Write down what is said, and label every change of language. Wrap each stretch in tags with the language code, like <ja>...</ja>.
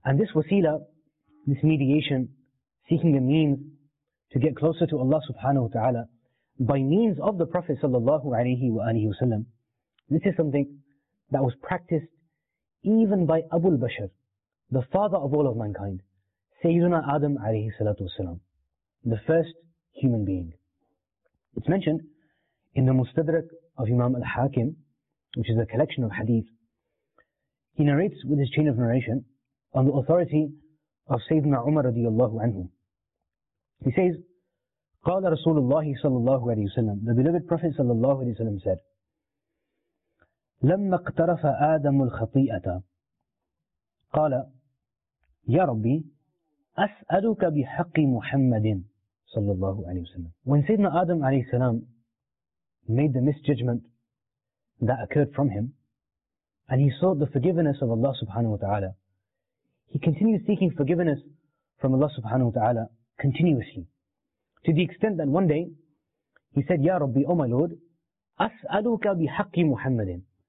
<en>And this wasila, this mediation, seeking a means to get closer to Allah subhanahu wa ta'ala, by means of the Prophet sallallahu alayhi wa sallam, this is something that was practiced even by Abu al-Bashar, the father of all of mankind, Sayyidina Adam alayhi salatu wasalam, the first human being. It's mentioned in the Mustadrak of Imam al-Hakim, which is a collection of hadith. He narrates with his chain of narration on the authority of Sayyidina Umar radiallahu anhu. He says,</en> <ar>قَالَ رَسُولُ اللَّهِ صَلَى اللَّهُ عَلَيْهِ وَسَلَّمُ.</ar> <en>The beloved Prophet sallallahu alayhi wa sallam said,</en> <ar>لَمَّا اقْتَرَفَ آدَمُ الْخَطِيئَةَ قَالَ يَا رَبِّي أَسْأَلُكَ بِحَقِّ مُحَمَّدٍ صلى الله عليه وسلم.</ar> <en>When Sayyidina Adam alayhi salam made the misjudgment that occurred from him, and he sought the forgiveness of Allah subhanahu wa ta'ala, he continued seeking forgiveness from Allah subhanahu wa ta'ala continuously, to the extent that one day he said, Ya Rabbi, O my Lord,</en> <ar>أَسْأَلُكَ بِحَقِّ مُحَمَّدٍ.</ar>